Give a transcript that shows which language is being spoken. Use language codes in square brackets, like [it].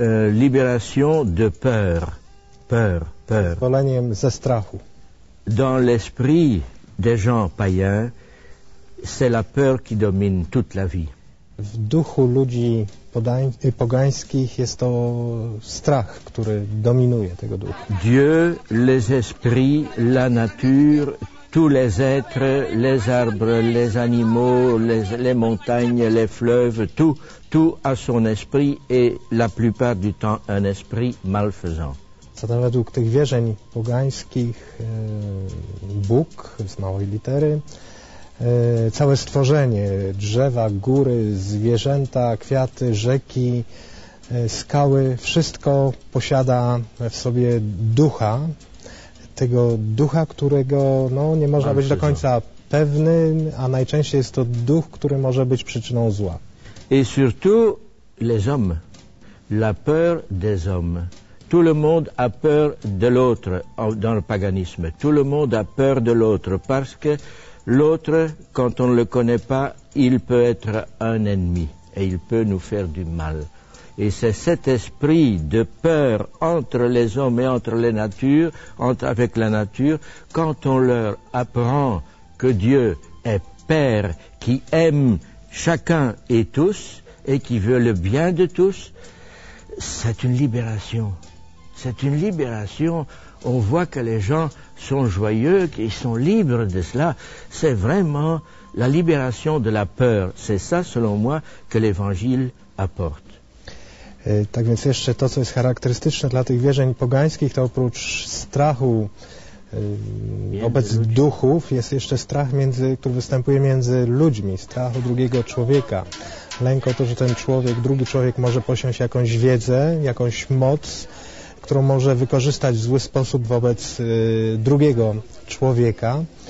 [fr] Liberation de peur. Peur. [pl] Wyzwoleniem ze strachu. [fr] Dans l'esprit des gens païens, c'est la peur qui domine toute la vie. [pl] W duchu ludzi pogańskich jest to strach, który dominuje tego ducha. [fr] Dieu, les esprits, la nature, tous les êtres, les arbres, les animaux, les montagnes, les fleuves, tout a son esprit et la plupart du temps un esprit malfaisant. [pl] Zatem według tych wierzeń pogańskich Bóg z małej litery, całe stworzenie, drzewa, góry, zwierzęta, kwiaty, rzeki, skały, wszystko posiada w sobie ducha, tego ducha, którego no, nie można być do końca pewnym, a najczęściej jest to duch, który może być przyczyną zła. [fr] Et surtout les hommes, la peur des hommes. Tout le monde a peur de l'autre dans le paganisme. Tout le monde a peur de l'autre parce que l'autre, quand on ne le connaît pas, il peut être un ennemi et il peut nous faire du mal. Et c'est cet esprit de peur entre les hommes et entre les natures, avec la nature, quand on leur apprend que Dieu est Père, qui aime chacun et tous et qui veut le bien de tous, c'est une libération. C'est une libération. On voit que les gens sont joyeux, qu'ils sont libres de cela. C'est vraiment la libération de la peur. C'est ça, selon moi, que l'Évangile apporte. [pl] Tak więc jeszcze to, co jest charakterystyczne dla tych wierzeń pogańskich, to oprócz strachu wobec duchów, jest jeszcze strach, który występuje między ludźmi, strach o drugiego człowieka. Lęk o to, że ten człowiek, drugi człowiek może posiąść jakąś wiedzę, jakąś moc, którą może wykorzystać w zły sposób wobec drugiego człowieka.